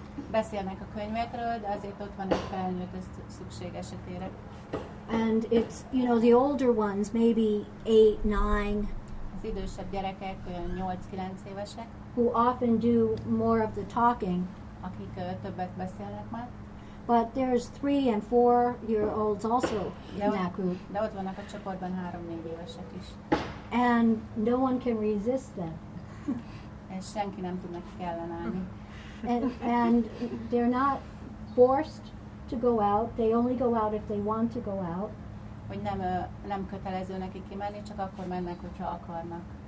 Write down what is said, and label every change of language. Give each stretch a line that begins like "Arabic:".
Hungarian: Beszélnek a könyvekről, de azért ott van egy felnőtt, ez szükség esetére.
English: And it's, you know, the older ones, maybe 8, 9.
Hungarian: az idősebb gyerekek, olyan 8-9 évesek,
English: who often do more of the talking,
Hungarian: akik többet beszélnek már.
English: But there's 3 and 4 year olds also in that group.
Hungarian: De ott vannak a csoportban 3-4 évesek is.
English: And no one can resist them.
Hungarian: És senki nem tud nekik ellenállni.
English: And they're not forced to go out. They only go out if they want to go out.
Hungarian: Hogy nem kötelező nekik kimenni, csak akkor mennek, hogyha akarnak.